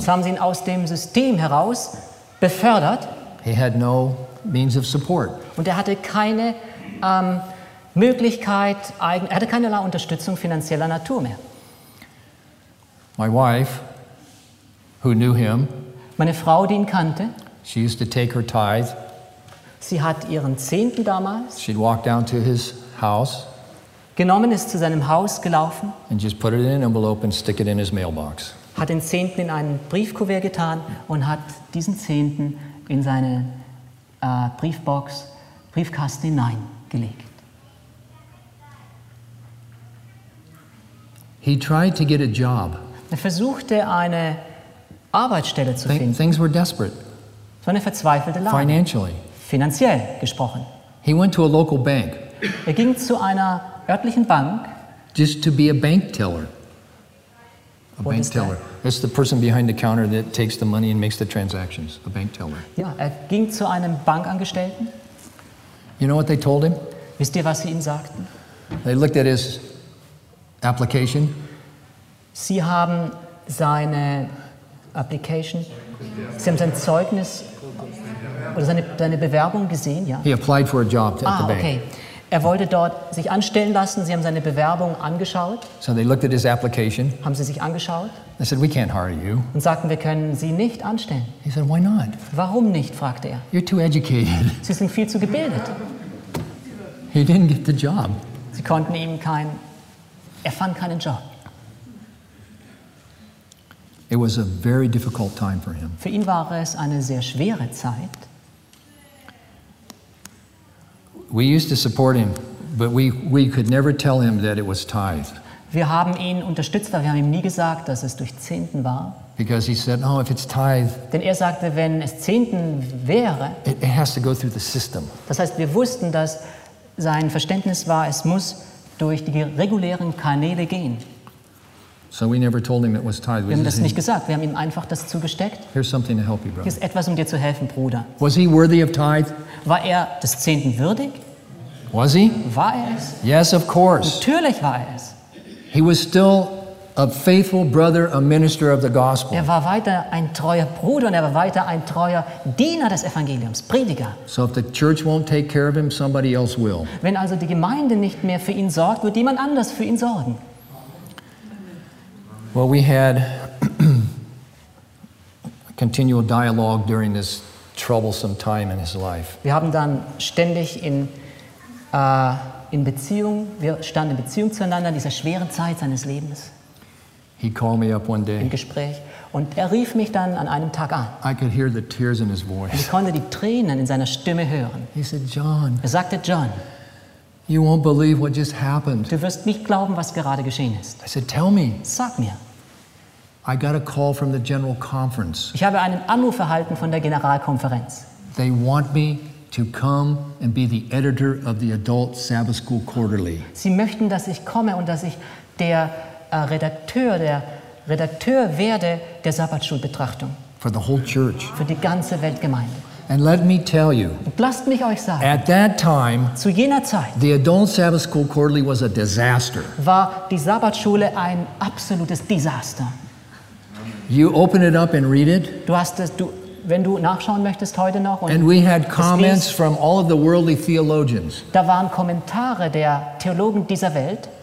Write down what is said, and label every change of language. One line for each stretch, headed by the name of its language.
German: Jetzt haben sie ihn aus dem System heraus befördert.
English: He had no means of support.
German: Und er hatte keine Möglichkeit, er hatte keinerlei Unterstützung finanzieller Natur mehr.
English: My wife, who knew him,
German: meine Frau, die ihn kannte,
English: she used to take her tithe.
German: Sie hat ihren Zehnten damals.
English: She'd walk down to his house.
German: Genommen ist zu seinem Haus gelaufen.
English: And just put it in an envelope and stick it in his mailbox.
German: Hat den Zehnten in einen Briefkuvert getan und hat diesen Zehnten in seine Briefbox, Briefkasten hineingelegt.
English: He tried to get a job.
German: Er versuchte eine Arbeitsstelle zu finden.
English: Things were desperate.
German: So eine verzweifelte Lage.
English: Financially.
German: Finanziell gesprochen.
English: He went to a local bank.
German: Er ging zu einer örtlichen Bank.
English: Just to be a bank teller. A bank teller. It's the person behind the counter that takes the money and makes the transactions. A bank teller.
German: Ja, er ging zu einem Bankangestellten.
English: You know what they told him?
German: Wisst ihr, was sie ihm sagten?
English: They looked at his application.
German: Sie haben seine Application, Sie haben sein Zeugnis oder seine Bewerbung gesehen, ja?
English: He applied for a job at the bank. Okay.
German: Er wollte dort sich anstellen lassen. Sie haben seine Bewerbung angeschaut.
English: So they looked at his application.
German: Haben sie sich angeschaut?
English: They said, "We can't hire you."
German: Und sagten, wir können Sie nicht anstellen.
English: He said, "Why not?"
German: Warum nicht? Fragte er.
English: You're too educated.
German: Sie sind viel zu gebildet.
English: He didn't get the job.
German: Sie konnten ihm keinen. Er fand keinen Job.
English: It was a very difficult time for him.
German: Für ihn war es eine sehr schwere Zeit.
English: We used to support him, but we could never tell him that it was tithe.
German: Wir haben ihn unterstützt, aber wir haben ihm nie gesagt, dass es durch Zehnten war.
English: Because he said, "Oh, if it's tithe."
German: Denn er sagte, wenn es Zehnten wäre.
English: It has to go through the system.
German: Das heißt, wir wussten, dass sein Verständnis war, es muss durch die regulären Kanäle gehen.
English: So we never told him it was tithe.
German: Wir haben das nicht gesagt. Wir haben ihm einfach das zugesteckt.
English: Here's something to help you, brother.
German: Hier ist etwas, um dir zu helfen, Bruder.
English: Was he worthy of tithe?
German: War er des Zehnten würdig?
English: Was he?
German: War er es?
English: Yes, of course.
German: Natürlich war er es.
English: He was still a faithful brother, a minister of the gospel.
German: Er war weiter ein treuer Bruder und er war weiter ein treuer Diener des Evangeliums, Prediger.
English: So if the church won't take care of him, somebody else will.
German: Wenn also die Gemeinde nicht mehr für ihn sorgt, wird jemand anders für ihn sorgen.
English: Well, we had a continual dialogue during this troublesome time in his life.
German: Wir haben dann ständig in Beziehung, wir standen in Beziehung zueinander in dieser schweren Zeit seines Lebens.
English: He called me up one day.
German: Im Gespräch. Und er rief mich dann an einem Tag an.
English: I could hear the tears in his voice.
German: Und ich konnte die Tränen in seiner Stimme hören.
English: He said, "John."
German: Er sagte, "John."
English: You won't believe what just happened.
German: Du wirst nicht glauben, was gerade geschehen ist.
English: I said, "Tell me."
German: Sag mir.
English: I got a call from the General Conference.
German: Ich habe einen Anruf erhalten von der Generalkonferenz.
English: They want me to come and be the editor of the Adult Sabbath School Quarterly.
German: Sie möchten, dass ich komme und dass ich der Redakteur werde der Sabbatschulbetrachtung.
English: For the whole church.
German: Für die ganze Weltgemeinde.
English: And let me tell you.
German: Und lasst mich euch sagen.
English: At that time.
German: Zu jener Zeit.
English: The Adult Sabbath School Quarterly was a disaster.
German: War die Sabbatschule ein absolutes Desaster.
English: You open it up and read it.
German: Du hast es, du wenn du nachschauen möchtest heute noch.
English: Und we had comments from all of the worldly theologians.
German: Da waren Kommentare der Theologen dieser Welt.